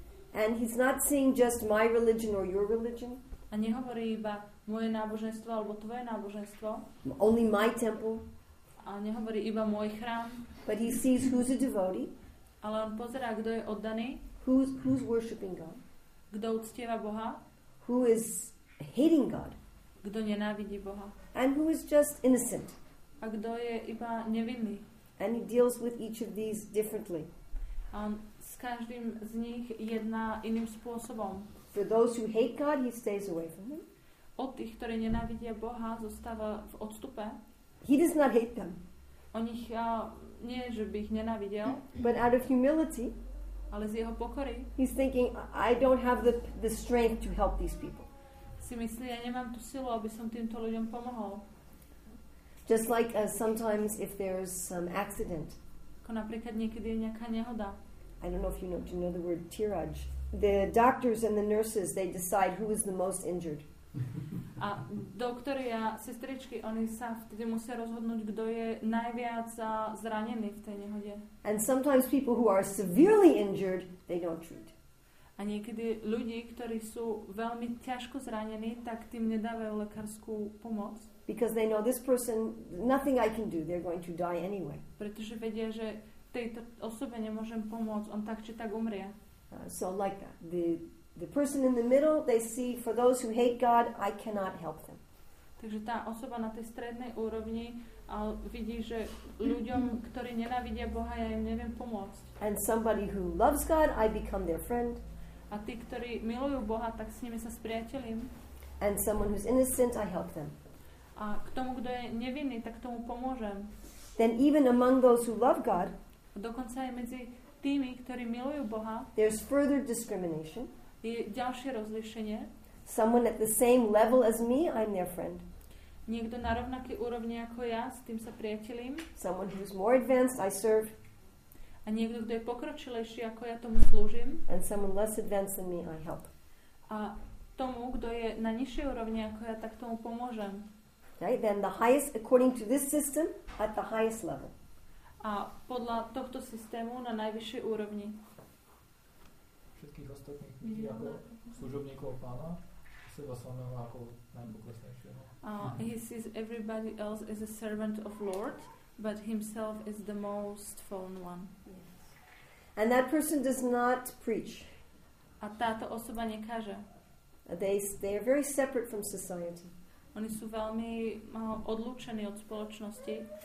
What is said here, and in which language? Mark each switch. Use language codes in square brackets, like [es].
[en] And he's not seeing just my religion or your religion. [sk] A nehovorí iba moje náboženstvo alebo tvoje náboženstvo. [en] Only my temple. [sk] A nehovorí iba môj chrám. [en] But he sees who's a devotee. [sk] Ale on pozerá, kto je oddaný. [en] Who's worshiping God. [sk] Kto uctieva Boha. [en] Who is hating God. [sk] Kto nenávidí Boha. [en] And who is just innocent. [sk] A kto je iba nevinný. [en] And he deals with each of these differently. [sk] A on s každým z nich jedná iným spôsobom. [en] For those who hate God, he stays away from them. [sk] Od tých, ktorí nenávidia Boha, zostáva v odstupe. [en] He does not hate them. [sk] On ich, nie, že by ich nenávidel. [en] But out of humility, [sk] ale z jeho pokory, [en] he's thinking, I don't have the strength to help these people. [sk] Si myslí, ja nemám tú silu, aby som týmto ľuďom pomohol. [en] Just like sometimes if there's some accident, [sk] ako napríklad niekedy je nejaká nehoda. [en] I don't know if you know, do you know the word triage? The doctors and the nurses, they decide who is the most injured. [sk] A doktori a sestričky, oni sa vtedy musia rozhodnúť, kto je najviac zranený v tej nehode. [en] And sometimes people who are severely injured, they don't treat. [sk] A niekedy ľudí, ktorí sú veľmi ťažko zranení, tak tým nedávajú lekárskú pomoc. [en] Because they know this person, nothing I can do, they're going to die anyway. [sk] Pretože vedia, že tejto osobe nemôžem pomôcť, on tak či tak umrie. [en] So like that, the The person in the middle, they see, for those who hate God, I cannot help them. [sk] Takže tá osoba na tej strednej úrovni vidí, že ľuďom, ktorí nenávidia Boha, ja im neviem pomôcť. [en] And somebody who loves God, I become their friend. [sk] A tí, ktorí milujú Boha, tak s nimi sa spriatelím. [en] And someone who's innocent, I help them. [sk] A k tomu, kto je nevinný, tak tomu pomôžem. [en] Then even among those who love God, [sk] dokonca aj medzi tými, ktorí milujú Boha, [en] there's further discrimination. [sk] Je ďalšie rozlíšenie. [en] Someone at the same level as me, I'm their friend. [sk] Niekto na rovnakej úrovni ako ja, s tým sa priateľím. [en] Someone who's more advanced, I serve. [sk] A niekto, kto je pokročilejší ako ja, tomu slúžim. [en] And someone less advanced than me, I help. [sk] A tomu, kto je na nižšej úrovni ako ja, tak tomu pomôžem. [en] Okay, then the highest, according to this system, at the highest level. [sk] A podľa tohto systému na najvyššej úrovni. Všetkých ostatných ľudí ako služobníkov pána, seba samého ako najpokresnejšieho. [en] He sees everybody else as a servant of Lord, but himself is the most fallen one. Yes. And that person does not preach. [sk] A táto osoba nekáže. [en] They are very separate from society. [sk] Oni sú veľmi odlúčení od spoločnosti.